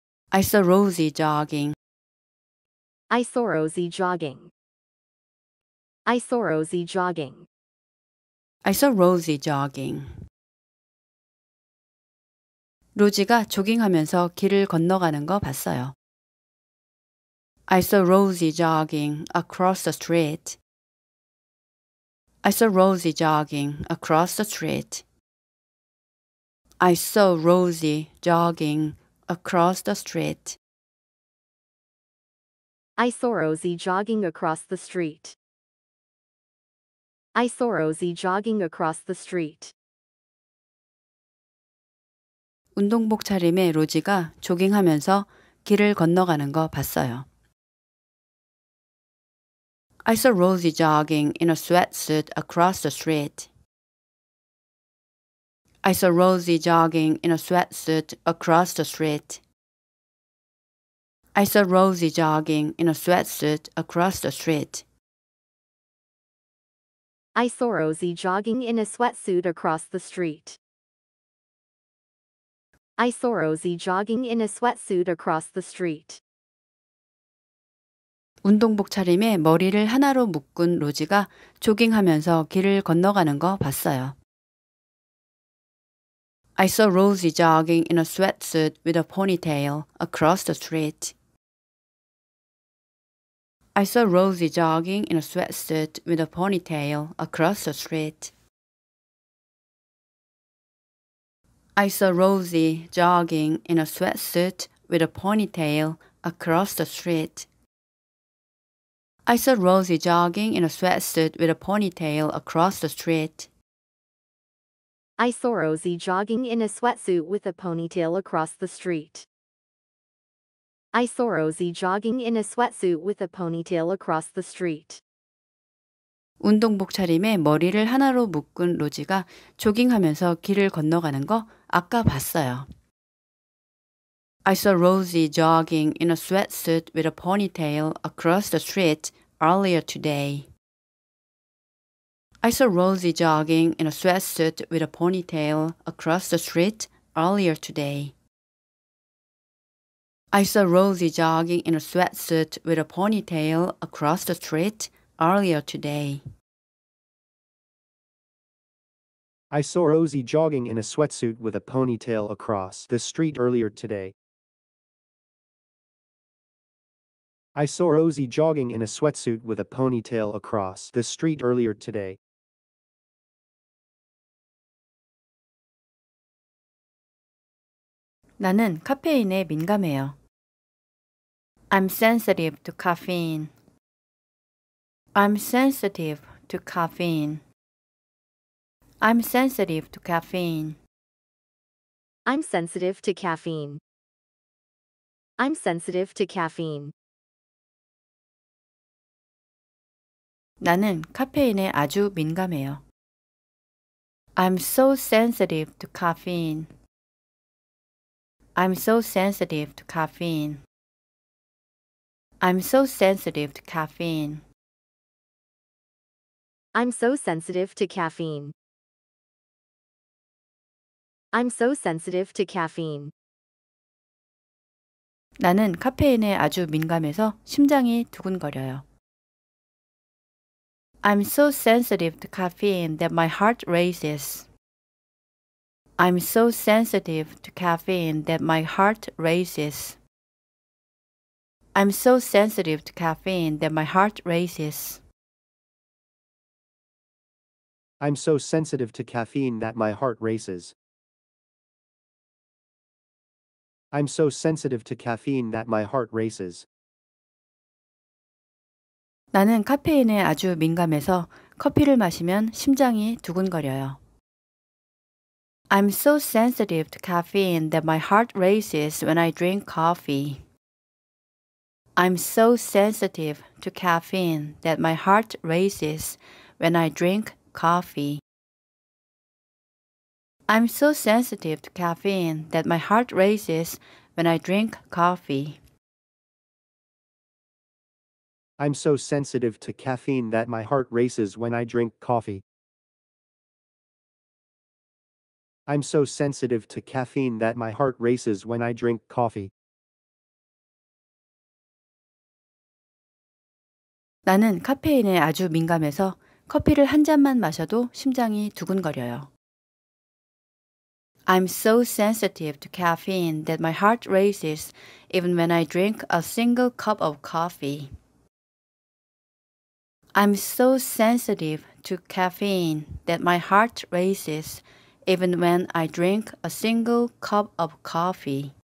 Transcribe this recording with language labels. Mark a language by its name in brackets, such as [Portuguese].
[English] I saw Rosie jogging. I saw Rosie jogging. I saw Rosie jogging. I saw Rosie jogging. [Korean] 로지가 조깅하면서 길을 건너가는 거 봤어요. [English] I saw Rosie jogging across the street. I saw Rosie jogging across the street. I saw Rosie jogging across the street. I saw Rosie jogging across the street. I saw Rosie jogging across the street. [Korean] 운동복 차림의 로지가 조깅하면서 길을 건너가는 거 봤어요. [English] I saw Rosie jogging in a sweatsuit across the street. I saw Rosie jogging in a sweatsuit across the street. I saw Rosie jogging in a sweatsuit across the street. I saw Rosie jogging in a sweatsuit across the street. I saw Rosie jogging in a sweatsuit across the street. [Korean] 운동복 차림에 머리를 하나로 묶은 로지가 조깅하면서 길을 건너가는 거 봤어요. [English] I saw Rosie jogging in a sweatsuit with a ponytail across the street. I saw Rosie jogging in a sweatsuit with a ponytail across the street. I saw Rosie jogging in a sweatsuit with a ponytail across the street. I saw Rosie jogging in a sweatsuit with a ponytail across the street. I saw Rosie jogging in a sweatsuit with a ponytail across the street. I saw Rosie jogging in a sweatsuit with a ponytail across the street. [Korean] 운동복 차림에 머리를 하나로 묶은 로지가 조깅하면서 길을 건너가는 거 아까 봤어요. [English] I saw Rosie jogging in a sweatsuit with a ponytail across the street earlier today. I saw Rosie jogging in a sweatsuit with a ponytail across the street earlier today. I saw Rosie jogging in a sweatsuit with a ponytail across the street earlier today. I saw Rosie jogging in a sweatsuit with a ponytail across the street earlier today. I saw Rosie jogging in a sweatsuit with a ponytail across the street earlier today. [Korean] 나는 카페인에 민감해요. [English] I'm sensitive to caffeine. I'm sensitive to caffeine. I'm sensitive to caffeine. I'm sensitive to caffeine. I'm sensitive to caffeine. [Korean] 나는 카페인에 아주 민감해요. [English] I'm so sensitive to caffeine. I'm so sensitive to caffeine. I'm so sensitive to caffeine. I'm so sensitive to caffeine. I'm so sensitive to caffeine. [Korean] 나는 카페인에 아주 민감해서 심장이 두근거려요. [English] I'm so sensitive to caffeine that my heart races. I'm so sensitive to caffeine that my heart races. I'm so sensitive to caffeine that my heart races. I'm so sensitive to caffeine that my heart races. I'm so sensitive to caffeine that my heart races. [Korean] 나는 카페인에 아주 민감해서 커피를 마시면 심장이 두근거려요. [English] I'm so sensitive to caffeine that my heart races when I drink coffee. I'm so sensitive to caffeine that my heart races when I drink coffee. I'm so sensitive to caffeine that my heart races when I drink coffee. I'm so sensitive to caffeine that my heart races when I drink coffee. I'm so sensitive to caffeine that my heart races when I drink coffee. [Korean] 나는 카페인에 아주 민감해서 커피를 한 잔만 마셔도 심장이 두근거려요. [English] I'm so sensitive to caffeine that my heart races even when I drink a single cup of coffee. I'm so sensitive to caffeine that my heart races even when I drink a single cup of coffee.